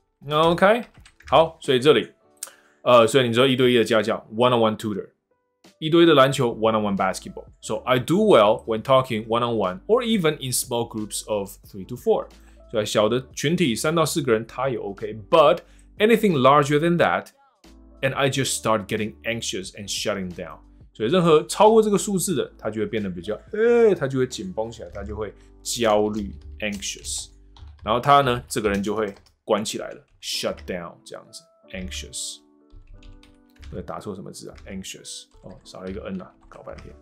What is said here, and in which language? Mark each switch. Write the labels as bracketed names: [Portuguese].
[Chinese] OK， 好，所以这里，所以你知道一对一的家教 ， [English] one on one tutor， [Chinese] 一对一的篮球 ， [English] one on one basketball。 So I do well when talking one on one or even in small groups of 3 to 4。 [Chinese] 所以小的群体三到四个人，他也 OK。 [English] But anything larger than that， and I just start getting anxious and shutting down。 [Chinese] 所以任何超过这个数字的，他就会变得比较，他就会紧绷起来，他就会焦虑 anxious， 然后他呢，这个人就会。关起来了 ， [English] shut down [Chinese] 这样子 ，anxious， 打错什么字啊 ？anxious， 哦，少了一个 n 啊，搞半天。